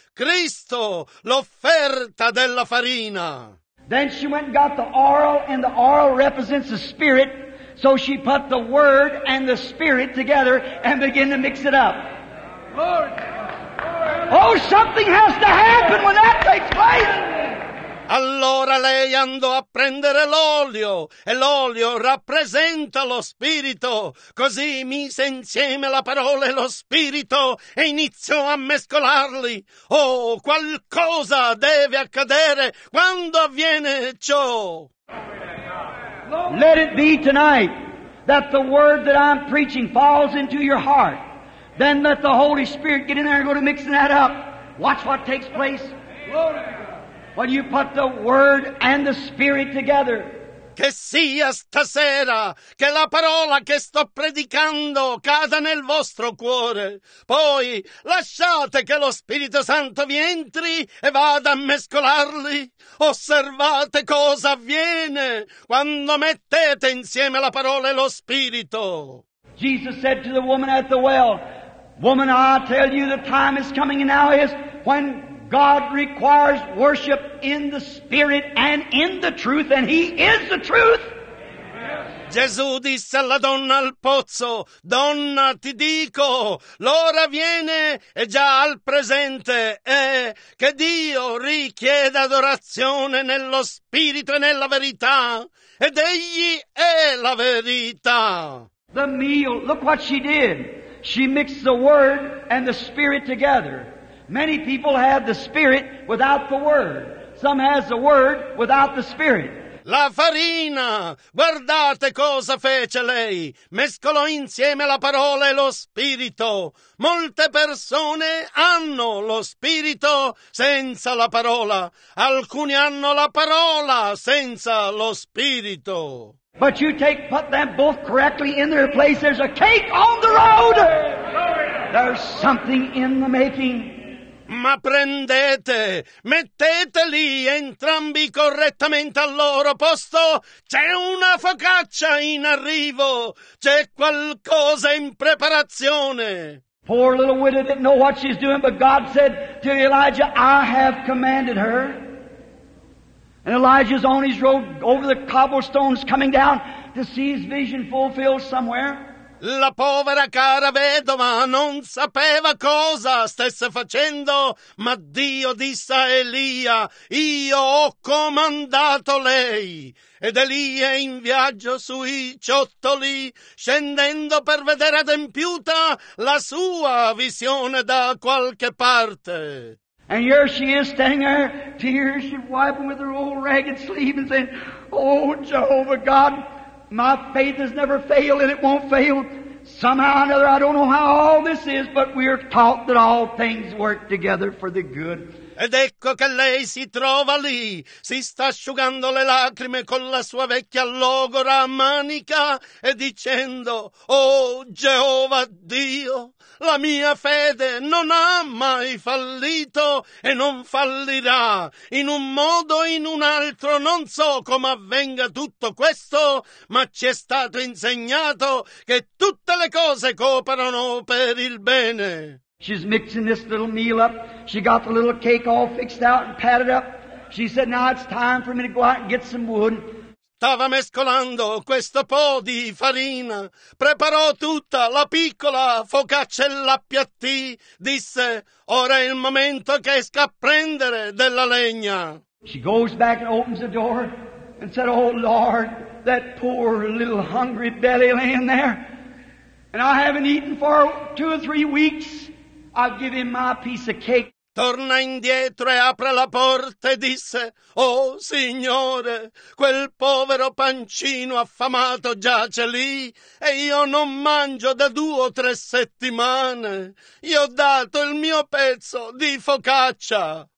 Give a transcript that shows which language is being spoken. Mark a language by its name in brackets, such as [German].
[Italian] Cristo, l'offerta della farina. [English] Then she went and got the oil, and the oil represents the spirit. So she put the word and the spirit together and began to mix it up. Lord. Oh, something has to happen when that takes place. [Italian] Allora lei andò a prendere l'olio, e l'olio rappresenta lo spirito. Così mise insieme la parola e lo spirito e iniziò a mescolarli. Oh, qualcosa deve accadere quando avviene ciò. [English] Let it be tonight that the word that I'm preaching falls into your heart. Then let the Holy Spirit get in there and go to mixing that up. Watch what takes place. When you put the word and the spirit together. [Italian] Che sia stasera che la parola che sto predicando cada nel vostro cuore. Poi lasciate che lo Spirito Santo vi entri e vada a mescolarli. Osservate cosa avviene quando mettete insieme la parola e lo Spirito. [English] Jesus said to the woman at the well, Woman, I tell you the time is coming and now is when God requires worship in the Spirit and in the truth, and He is the truth. [Italian] Gesù disse alla donna al pozzo, Donna, ti dico, l'ora viene e già al presente è che Dio richiede adorazione nello Spirito e nella verità, ed Egli è la verità. [English] The meal, look what she did. She mixed the Word and the Spirit together. Many people have the Spirit without the Word. Some has the Word without the Spirit. [Italian] La farina! Guardate cosa fece lei! Mescolò insieme la parola e lo Spirito. Molte persone hanno lo Spirito senza la parola. Alcuni hanno la parola senza lo Spirito. [English] But you take, put them both correctly in their place. There's a cake on the road! There's something in the making. [Italian] Ma prendete, metteteli entrambi correttamente al loro posto. C'è una focaccia in arrivo. C'è qualcosa in preparazione. [English] Poor little widow didn't know what she's doing, but God said to Elijah, I have commanded her. And Elijah's on his road over the cobblestones coming down to see his vision fulfilled somewhere. [Italian] La povera cara vedova non sapeva cosa stesse facendo, ma Dio disse a Elia, io ho comandato lei. Ed Elia in viaggio sui ciottoli, scendendo per vedere adempiuta la sua visione da qualche parte. [English] And here she is standing there, tears, she's wiping with her old ragged sleeve and saying, oh Jehovah God, my faith has never failed and it won't fail. Somehow or another, I don't know how all this is, but we're taught that all things work together for the good. [Italian] Ed ecco che lei si trova lì, si sta asciugando le lacrime con la sua vecchia logora a manica e dicendo, oh Geova Dio, la mia fede non ha mai fallito e non fallirà. In un modo o in un altro, non so come avvenga tutto questo, ma ci è stato insegnato che tutte le cose cooperano per il bene. [English] She's mixing this little meal up. She got the little cake all fixed out and patted up. She said, now it's time for me to go out and get some wood. [Italian] Stava mescolando questo po' di farina. Preparò tutta la piccola focaccia e l'appiattì. Disse, ora è il momento che esca a prendere della legna. [English] She goes back and opens the door and said, oh Lord, that poor little hungry belly laying there. And I haven't eaten for 2 or 3 weeks. I'll give him my piece of cake. [Italian] Torna indietro e apre la porta e disse, oh Signore, quel povero pancino affamato giace lì e io non mangio da 2 o 3 settimane. Io ho dato il mio pezzo di focaccia.